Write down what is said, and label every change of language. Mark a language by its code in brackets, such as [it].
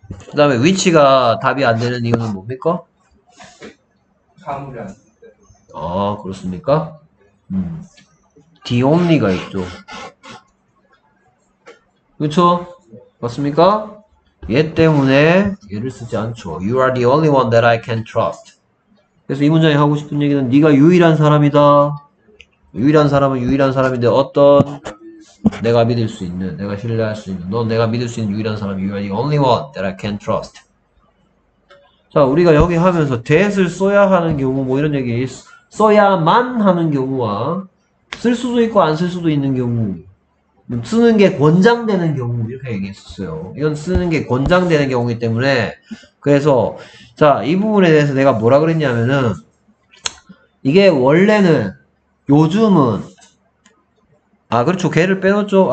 [ko] 그 다음에 which가 답이 안 되는 이유는 뭡니까? 사물이 안 아, 그렇습니까? The only가 있죠. 그쵸? 맞습니까? 얘 때문에 얘를 쓰지 않죠. [en] You are the only one that I can trust. [ko] 그래서 이 문장이 하고 싶은 얘기는 네가 유일한 사람이다. 유일한 사람은 유일한 사람인데 어떤 내가 믿을 수 있는, 내가 신뢰할 수 있는, 넌 내가 믿을 수 있는 유일한 사람. [en] You are the only one that I can trust. [ko] 자, 우리가 여기 하면서 that을 써야 하는 경우 뭐 이런 얘기 써야만 하는 경우와 쓸 수도 있고 안쓸 수도 있는 경우. 쓰는 게 권장되는 경우 이렇게 얘기했었어요. 이건 쓰는 게 권장되는 경우이기 때문에 그래서 자, 이 부분에 대해서 내가 뭐라 그랬냐면은 이게 원래는 요즘은 아 그렇죠. 걔를 빼놓죠.